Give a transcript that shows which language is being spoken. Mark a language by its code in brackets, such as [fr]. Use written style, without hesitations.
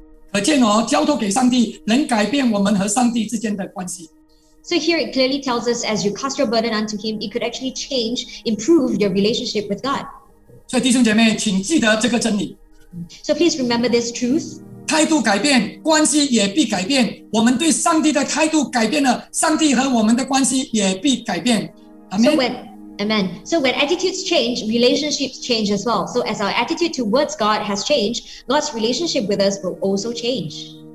[zh] 可见哦，交托给上帝能改变我们和上帝之间的关系。 [en] So here it clearly tells us, as you cast your burden unto him, it could actually change, improve your relationship with God. [zh] 所以弟兄姐妹，请记得这个真理。 [en] So please remember this truth. [zh] 态度改变，关系也必改变。我们对上帝的态度改变了，上帝和我们的关系也必改变。Amen. [en] Amen. So when attitudes change, relationships change as well. So as our attitude towards God has changed, God's relationship with us will also change.